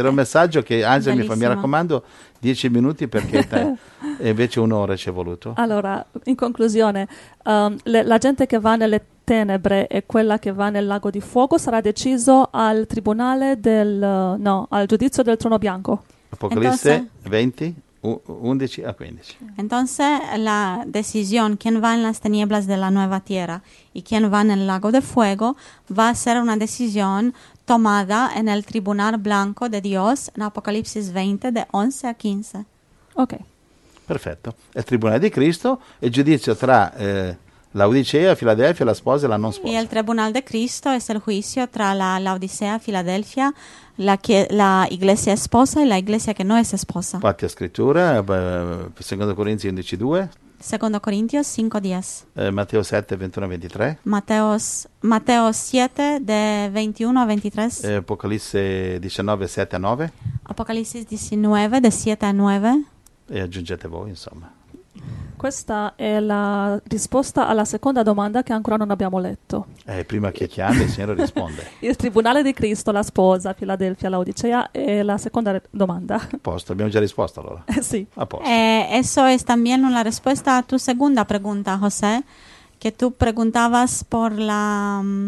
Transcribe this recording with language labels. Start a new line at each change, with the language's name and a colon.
Italian: Era un messaggio che Angela mi fa, mi raccomando, 10 minuti perché e invece un'ora ci è voluto. Allora, in conclusione, la gente che va nelle tenebre e quella che va nel lago di fuoco sarà deciso al tribunale del al giudizio del trono bianco. Apocalisse
Spanish: entonces,
Italian: 20 11 a 15.
Spanish: Entonces la decisión quién va en las tinieblas de la nueva tierra y quién va en el lago de fuego va a ser una decisión tomada en el tribunal blanco de Dios en Apocalipsis 20 de 11 a 15. Ok.
Italian: Perfetto. El tribunale di Cristo e giudizio tra Laodicea, Filadelfia, la sposa e la non sposa.
Spanish: Y el tribunal de Cristo es el juicio tra la Laodicea, Filadelfia, la iglesia esposa y la iglesia que no es esposa.
Italian: Infatti, scrittura, 2 Corinzi 11, 2.
Spanish: 2 Corintios 5, 10.
Italian: Matteo 7, 21, 23.
Spanish: Matteo 7, de 21 a 23.
Italian: Apocalisse 19, 7 a 9.
Spanish: Apocalisse 19, de 7 a 9.
Italian: E aggiungete voi, insomma. Questa è la risposta alla seconda domanda che ancora non abbiamo letto. Prima che chiami, il Signore risponde. Il tribunale di Cristo, la sposa, Filadelfia, Laodicea, è la seconda domanda. A posto, abbiamo già risposto allora. Sì. A posto.
Spanish: Eso es también una respuesta a tu segunda pregunta, José,
Italian: che
Spanish: tu preguntabas por la...